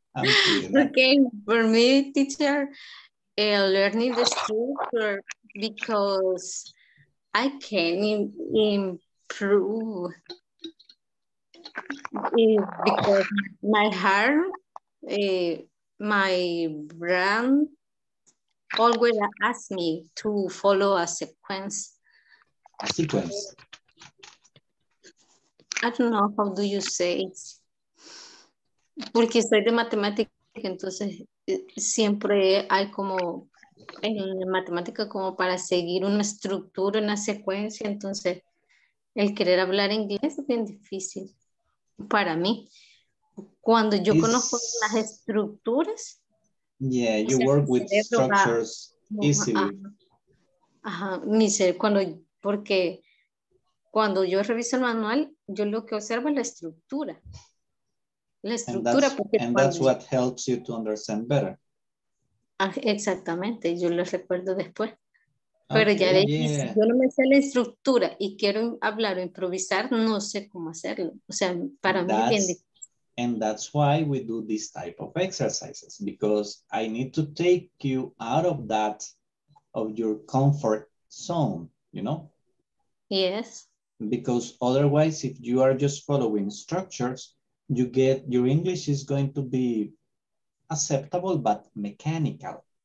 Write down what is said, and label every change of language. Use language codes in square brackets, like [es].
[en] Okay, for me, teacher, learning the structure because I can improve because my heart, my brain always asks me to follow a sequence. Sequence. I don't know how do you say it. [es] Porque soy de matemática, entonces siempre hay como en matemática como para seguir una estructura, una secuencia. Entonces el querer hablar inglés es bien difícil para mí. Cuando yo conozco las estructuras. [en] Yeah, you work with structures easily. [es] Ajá, mi ser, cuando. Porque cuando yo reviso el manual, yo lo que observo es la estructura. La estructura. [en] And that's what helps you to understand better. [es] Ah, exactamente, yo lo recuerdo después. Pero okay, ya de ahí, si yo no me sé la estructura y quiero hablar o improvisar, no sé cómo hacerlo. O sea, para mí es bien difícil. [en] And that's why we do this type of exercises, because I need to take you out of that, of your comfort zone. You know? Yes. Because otherwise, if you are just following structures, you get your English is going to be acceptable but mechanical.